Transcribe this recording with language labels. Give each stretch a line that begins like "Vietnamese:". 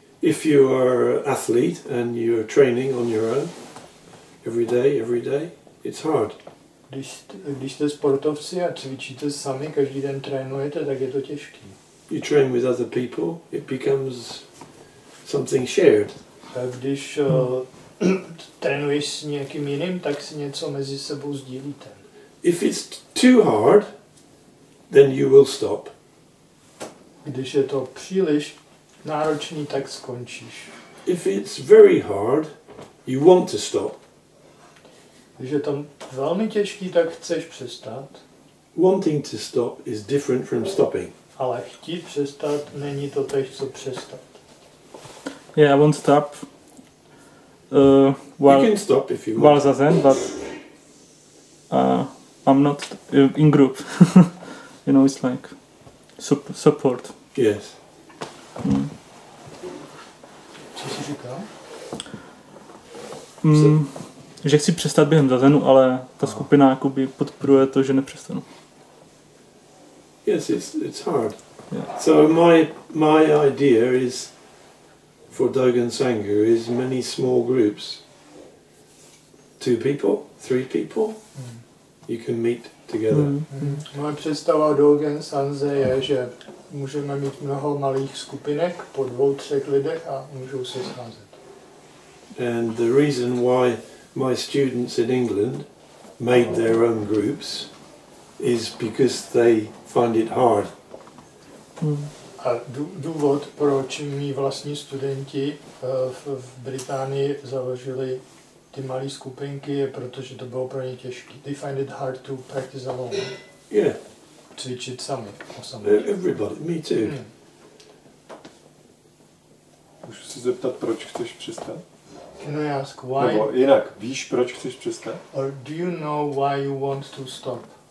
English: If you are an athlete and you are training on your own, every day, it's hard.
Czech: Když jste sportovci a cvičíte sami, každý den trénujete, tak je to těžký.
English: You train with other people, it becomes something shared.
Czech: Když trénuješ s někým jiným, tak si něco mezi sebou sdílíte.
English: If it's too hard, then you will stop.
Czech: Když je to příliš náročný, tak skončíš.
English: If it's very hard, you want to stop.
Czech: Když je to velmi těžký, tak chceš přestat.
English: Wanting to stop is different from stopping.
Czech: Ale chtít přestat není to tež, co přestat.
English: Yeah, I won't stop. While, you can stop if you want. While zazen, but I'm not in group. You know, it's like support. Yes.
Czech: Co jsi říkal? Že chci přestat během zazenu, ale ta skupina jakoby podporuje to, že nepřestanu.
English: Yes, it's hard. Yeah. So my idea is for Dogen Sangha is many small groups. 2 people, 3 people, you can meet together.
Czech: Moje představa Dogen Sanze je, že můžeme mít mnoho malých skupinek po 2-3 lidech a můžou se scházet.
English: And the reason why my students in England made their own groups is because they find it hard.
Czech: A důvod, proč mi vlastní studenti v Británii založili ty malé skupinky, je protože to bylo pro ně těžké.
English: They find it hard to practice alone. Yeah.
Czech: Cvičit sami.
English: Everybody, me too. Hmm.
Czech: Můžu si zeptat, proč chceš přestat?
English: Can I ask why?
Czech: Nebo jinak, víš, proč chceš přestat?
English: Or do you know why you want to stop?